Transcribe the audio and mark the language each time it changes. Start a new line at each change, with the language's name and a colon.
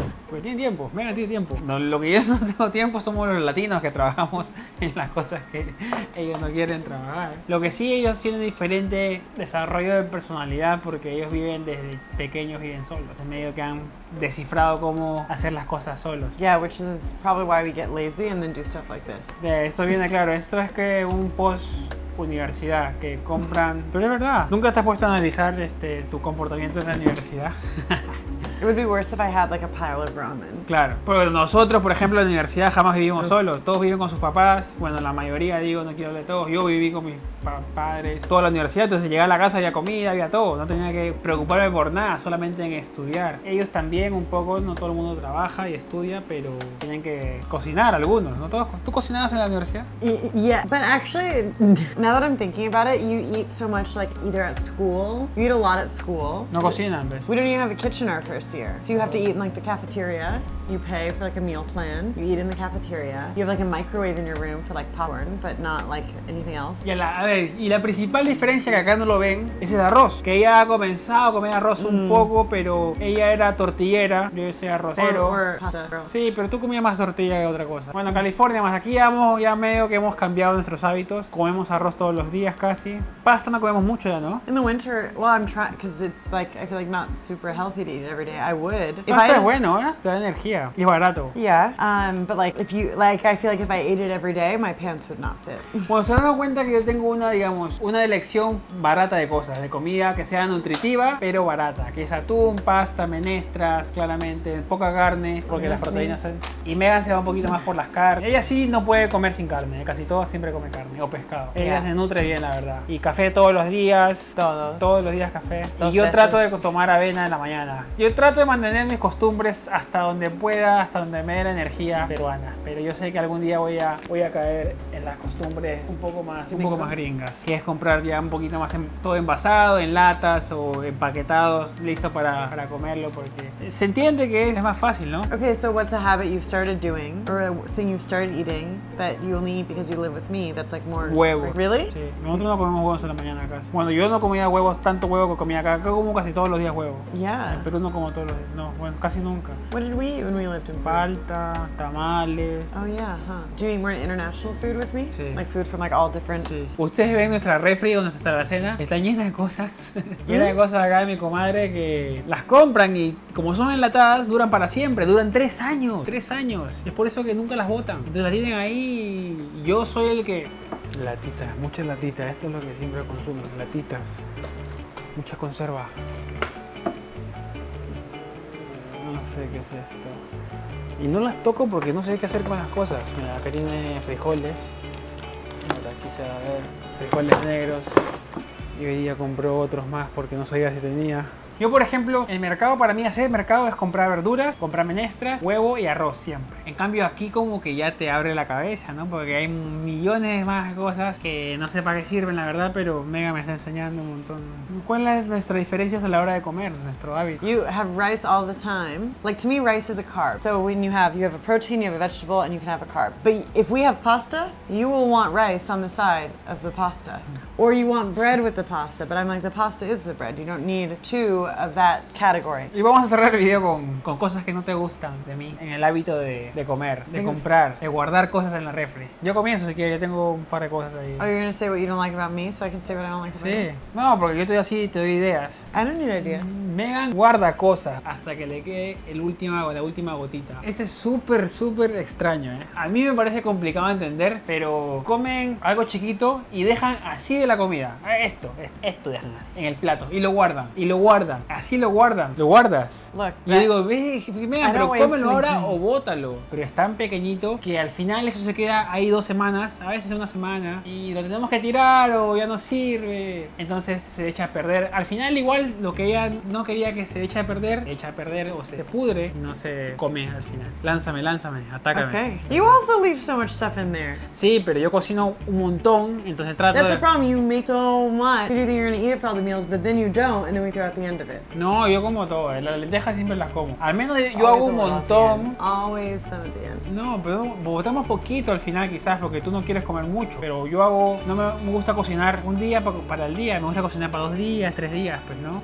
Spanish: Pues tienen tiempo, mira, tiene tiempo. No, lo que yo no tengo tiempo somos los latinos que trabajamos en las cosas que ellos no quieren trabajar. Lo que sí, ellos tienen diferente desarrollo de personalidad porque ellos viven desde pequeños, viven solos. Es medio que han descifrado cómo hacer las cosas solos.
English: Yeah, which is probably why we get lazy and then do stuff like this.
Spanish: Yeah, eso viene claro. Esto es que un post universidad que compran. Pero es verdad. ¿Nunca te has puesto a analizar tu comportamiento en la universidad?
English: It would be worse if I had like a pile of ramen.
Spanish: Claro, porque nosotros, por ejemplo, en la universidad jamás vivimos solos. Todos viven con sus papás. Bueno, la mayoría, digo, no quiero hablar de todos. Yo viví con mis padres toda la universidad. Entonces llegué a la casa, había comida, había todo. No tenía que preocuparme por nada, solamente en estudiar. Ellos también un poco, no todo el mundo trabaja y estudia, pero tienen que cocinar algunos, no todos. ¿Tú cocinabas en la universidad?
English: Yeah, but actually, now that I'm thinking about it, you eat so much like either at school. You eat a lot at school.
Spanish: No cocinan, ¿ves?
English: We don't even have a kitchen our first year. So you have to eat in like the cafeteria. You pay for like a meal plan. You eat in the cafeteria. You have like a microwave in your room for like popcorn, but not like anything else.
Spanish: Y la, a ver, y la principal diferencia que acá no lo ven es el arroz. Que ella ha comenzado a comer arroz un poco, pero ella era tortillera. Yo soy arrocero.
English: Or pasta, bro.
Spanish: Sí, pero tú comías más tortilla que otra cosa. Bueno, California, más aquí vamos ya medio que hemos cambiado nuestros hábitos. Comemos arroz todos los días casi. Pasta no comemos mucho ya, ¿no?
English: In the winter, well, I'm trying, because it's like, I feel like not super healthy to eat it every day. I would.
Spanish: Pasta es bueno, ¿eh? Te da energía. Y barato.
English: Yeah, but like if you like, I feel like if I ate it every day, my pants would not fit.
Spanish: Bueno, se dan cuenta que yo tengo una, digamos, una elección barata de cosas, de comida que sea nutritiva pero barata, que es atún, pasta, menestras, claramente poca carne porque las proteínas son... Y Megan se va un poquito más por las carnes. Ella sí no puede comer sin carne. Casi todas siempre come carne o pescado. Ella se nutre bien, la verdad. Y café todos los días. Todos los días café. Y yo trato de tomar avena en la mañana. Yo trato de mantener mis costumbres hasta donde pueda, hasta donde me dé la energía peruana, pero yo sé que algún día voy a caer en las costumbres un poco más gringas, que es comprar ya un poquito más todo envasado, en latas o empaquetados, listo para comerlo, porque se entiende que es más fácil, ¿no?
English: Okay, so what's a habit you've started doing or a thing you've started eating that you only eat because you live with me that's like more
Spanish: huevo?
English: Really?
Spanish: Sí, nosotros no comemos huevos en la mañana casi. Bueno, yo no comía huevos, tanto huevo que comía acá. Yo como casi todos los días huevo.
English: Yeah.
Spanish: En Perú no como todos los días. No, bueno, casi nunca.
English: We eat when we lived in
Spanish: Palta, tamales.
English: Oh yeah, huh. Do you eat more international food with me?
Spanish: Sí.
English: Like food from like all different.
Spanish: Sí. Ustedes ven nuestra refri o nuestra alacena. Está llena de cosas. Llena de cosas acá de mi comadre que las compran y como son enlatadas, duran para siempre. Duran 3 años. 3 años. Es por eso que nunca las botan. Entonces las tienen ahí y yo soy el que. Latita, mucha latita. Esto es lo que siempre consumo. Latitas. Mucha conserva. No sé qué es esto. Y no las toco porque no sé qué hacer con las cosas. Mira, acá tiene frijoles. Mira, aquí se va a ver. Frijoles negros. Y hoy día compró otros más porque no sabía si tenía. Yo, por ejemplo, el mercado para mí, hacer mercado es comprar verduras, comprar menestras, huevo y arroz siempre. En cambio, aquí como que ya te abre la cabeza, ¿no? Porque hay millones más cosas que no sé para qué sirven, la verdad, pero Mega me está enseñando un montón. ¿Cuál es nuestra diferencia a la hora de comer, nuestro hábito?
English: You have rice all the time. Like, to me, rice is a carb. So when you have a protein, you have a vegetable, and you can have a carb. But if we have pasta, you will want rice on the side of the pasta. Or you want bread with the pasta, but I'm like, the pasta is the bread. You don't need two of that category.
Spanish: Y vamos a cerrar el video con cosas que no te gustan de mí en el hábito de comer, de comprar, de guardar cosas en la refri. Yo comienzo, así que yo tengo un par de cosas ahí.
English: Oh, you're gonna say what you don't like about me so I can say what I don't like
Spanish: sí.
English: about you.
Spanish: No, porque yo estoy así, te doy ideas.
English: I don't need ideas.
Spanish: Megan guarda cosas hasta que le quede la última gotita. Ese es súper, súper extraño, ¿eh? A mí me parece complicado entender, pero comen algo chiquito y dejan así de la comida. Esto dejan en el plato y lo guardan. Así lo guardan. Lo guardas.
English: Look,
Spanish: y yo digo, ve, Megan, pero cómelo ahora o bótalo. Pero es tan pequeñito que al final eso se queda ahí 2 semanas, a veces una semana, y lo tenemos que tirar o ya no sirve. Entonces se echa a perder. Al final, igual lo que ella no quería que se eche a perder, echa a perder o se pudre y no se come al final. Lánzame, atácame.
English: Okay. You also leave so much stuff in there.
Spanish: Sí, pero yo cocino un montón, entonces trato.
English: That's the problem. You make so much. You think you're going to eat it for all the meals, but then you don't, and then we throw out the end of it.
Spanish: No, yo como todo. Las lentejas siempre las como. Al menos
English: it's
Spanish: yo hago un montón.
English: Always some at the end.
Spanish: No, pero botamos poquito al final, quizás, porque tú no quieres comer mucho. Pero yo hago. No me gusta cocinar un día para el día. Me gusta cocinar para 2 días, 3 días, pues, ¿no?